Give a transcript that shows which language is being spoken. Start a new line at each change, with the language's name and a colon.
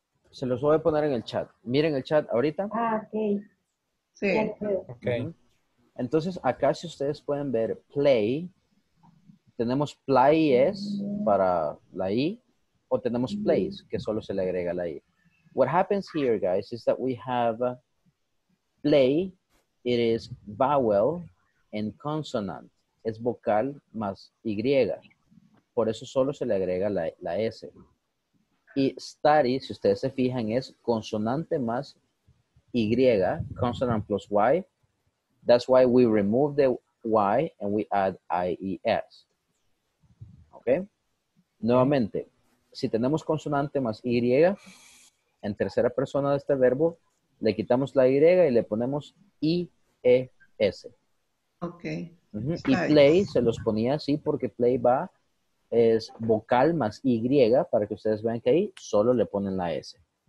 Spanish: Se los voy a poner en el chat. Miren el chat ahorita. Ok. Sí. Ok. Uh-huh. Entonces, acá si ustedes pueden ver play, tenemos plays para la I, o tenemos plays, que solo se le agrega la I.
English: What happens here, guys, is that we have play, it is vowel and consonant.
Spanish: Es vocal más Y. Por eso solo se le agrega la S. Y study, si ustedes se fijan, es consonante más Y,
English: consonant plus Y. That's why we remove the Y and we add IES. Okay?
Spanish: Nuevamente, si tenemos consonante más Y, en tercera persona de este verbo, le quitamos la Y y le ponemos IES. Okay. Uh-huh. Y play se los ponía así porque play va, es vocal más Y, para que ustedes vean que ahí solo le ponen la S.